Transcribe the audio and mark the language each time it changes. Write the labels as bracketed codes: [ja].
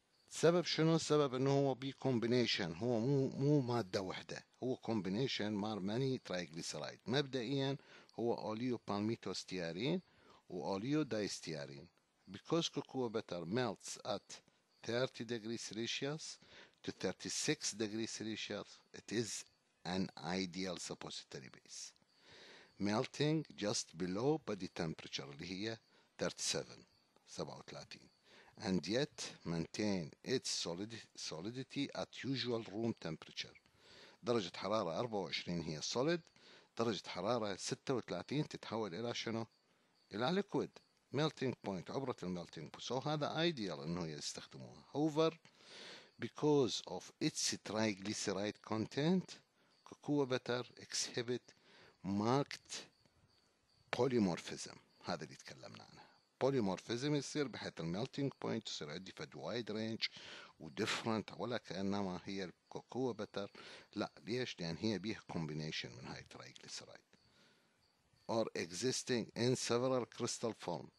[ar] سبب شنو؟ سبب انه هو بي كومبينيشن، هو مو مادة وحدة، هو كومبينيشن مال ماني تريجليسرايد. مبدئيا هو اوليو بالميتو ستيارين واوليو دايستيارين. [en] because cocoa butter melts at 30 degrees Celsius to 36 degrees Celsius, it is an ideal suppository base. Melting just below body temperature, [ar] اللي هي [en] 37 37, and yet maintain its solidity at usual room temperature. [ar] درجة حرارة 24 هي solid, درجة حرارة 36 تتحول إلى شنو؟ إلى liquid. [en] Melting point, [ar] عبرة الملتينج. So هذا ideal إنه يستخدموها. [en] However, because of its triglyceride content, cocoa butter exhibit marked polymorphism. [ar] هذا اللي تكلمنا عنه. Polymorphism يصير بحيث الملتينج بوينت يصير عندي فد وايد رينج وديفرنت, ولا كأنما هي الكوكو بتر. لا ليش؟ لأن هي بيها كومبينيشن من هاي تريجليسرايد [en] or existing in several crystal form.